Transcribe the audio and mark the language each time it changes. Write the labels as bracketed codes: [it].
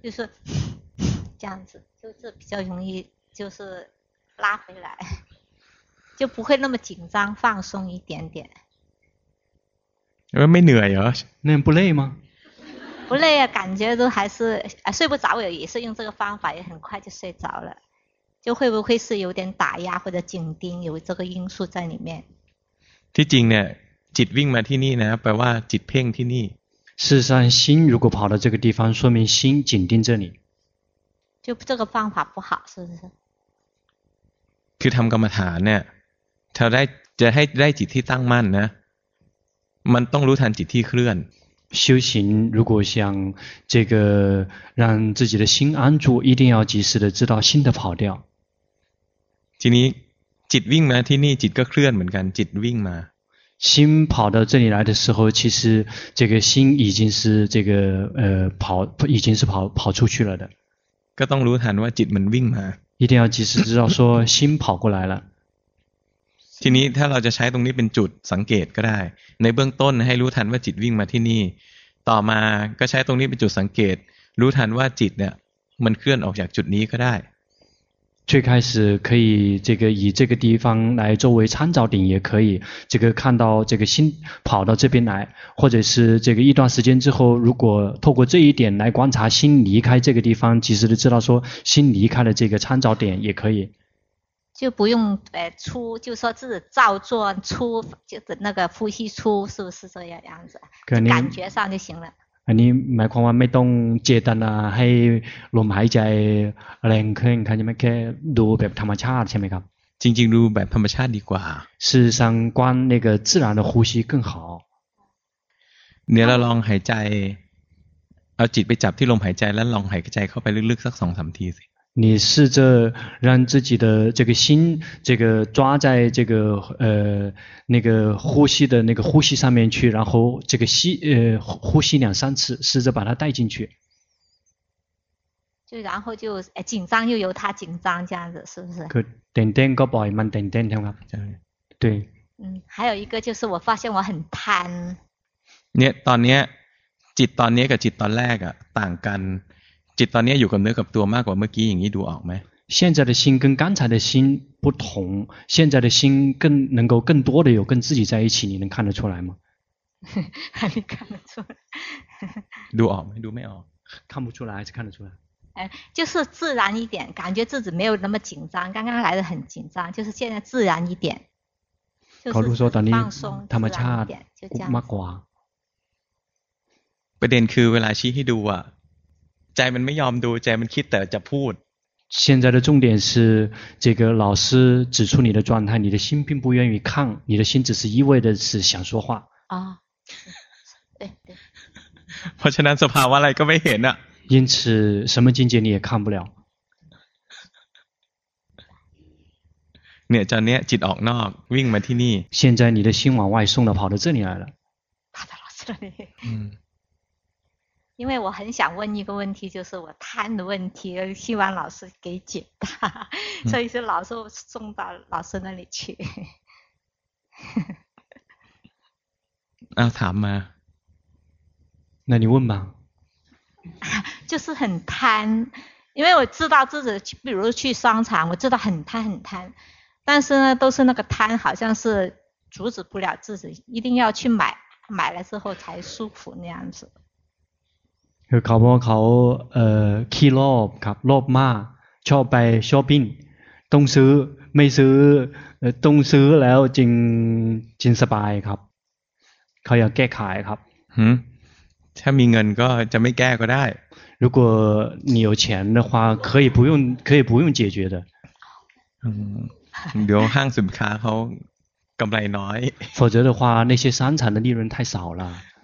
[zh] 就是这样子就是比较容易就是拉回来就不会那么紧张放松一点点没累啊那不累吗不累啊，感觉都还是睡不着，也是用这个方法，也很快就睡着了。就会不会是有点打压或者紧盯有这个因素在里面？ [th] ที่จริงเนี่ยจิตวิ่งมาที่นี่นะแปลว่าจิตเพ่งที่นี่ [zh] 事实上心如果跑到这个地方说明心紧盯这里就这个方法不好是不是 [th] คือทำกรรมฐานเนี่ยถ้าได้จะให้ได้จิตที่ตั้งมั่นนะมันต้องรู้ทันจิตที่เคลื่อน [zh] 修行如果想这个让自己的心安住一定要及时的知道心的跑掉 [th] ทีนี้จิตวิ่งมาที่นี่จิตก็เคลื่อนเหมือนกันจิตวิ่งมา [zh] 心跑到这里来的时候其实这个心已经是这个跑已经是跑出去了的 [th] ก็ต้องรู้ทันว่าจิตมันวิ่งมา [zh] 一定要及时知道说心跑过来了 [th] ทีนี้ถ้าเราจะใช้ตรงนี้เป็นจุดสังเกตก็ได้ในเบื้องต้นให้รู้ทันว่าจิตวิ่งมาที่นี่ต่อมาก็ใช้ตรงนี้เป็นจุดสังเกตรู้ทันว่าจิตเนี่ยมันเคลื่อนออกจากจุดนี้ก็ได้ [zh] 最开始可以这个以这个地方来作为参照点也可以这个看到这个心跑到这边来或者是这个一段时间之后如果透过这一点来观察心离开这个地方及时的知道说心离开了这个参照点也可以就不用出就说自己照做出就是那个呼吸出是不是这样子感觉上就行了 [th] อันนี้หมายความว่าไม่ต้องเจตนาให้ลมหายใจแรงขึ้นใช่ไหมแค่ดูแบบธรรมชาติใช่ไหมครับ จริงๆดูแบบธรรมชาติดีกว่า [zh] 事实上观那个自然的呼吸更好 [th] เดี๋ยวเราลองหายใจเอาจิตไปจับที่ลมหายใจแล้วลองหายใจเข้าไปลึกๆสักสองสามทีสิ [zh] 你试着让自己的这个心这个抓在这个那个呼吸的那个呼吸上面去然后这个吸呼吸两三次试着把它带进去就然后就紧张又由它紧张这样子是不是 그땡땡거보이만땡땡听吗对嗯还有一个就是我发现我很贪 [th] เนี่ยตอนเนี้ยจิตตอนเนี้ยกับจิตตอนแรกอ่ะต่างกันจิตตอนนี้อยู่กับเนื้อกับตัวมากกว่าเมื่อกี้อย่างนี้ดูออกไหม [zh] 现在的心跟刚才的心不同现在的心更能够更多的有跟自己在一起你能看得出来吗还没看得出来 [th] ดูออกไหมดูไม่ออก [zh] 看不出来还是看得出来就是自然一点感觉自己没有那么紧张刚刚来的很紧张就是现在自然一点 [th] เขารู้สึกตอนนี้ ธรรมชาติ มากกว่า ประเด็นคือเวลาชี้ให้ดูอะใจมันไม่ยอมดูใจมันคิดแต่จะพูด [zh] 现在的重点是这个老师指出你的状态你的心并不愿意抗你的心只是意味着是想说话啊对 [th] เพราะฉะนั้นสภาวะอะไรก็ไม่เห็นอ่ะ [zh] 因此什么境界你也看不了 [th] เนี่ยตอนนี้จิตออกนอกวิ่งมาที่นี่ [zh] 现在你的心往外送了跑到这里来了跑到老师那里因为我很想问一个问题就是我贪的问题希望老师给解答所以是老师送到老师那里去啊谈吗那你问吧就是很贪因为我知道自己比如去商场我知道很贪很贪但是呢都是那个贪好像是阻止不了自己一定要去买买了之后才舒服那样子 [th] คือเขาบอกเขาขี้โลภครับโลภมากชอบไปช้อปปิ้งต้องซื้อไม่ซื้อต้องซื้อแล้วจริงจริงสบายครับเขาอยากแก้ไขครับ ถ้ามีเงินก็จะไม่แก้ก็ได้ [zh] 如果你有钱的话可以不用可以不用解决的 [th] เดี๋ยวห้างสินค้าเขากำไรน้อย [zh] 否则的话那些商场的利润太少了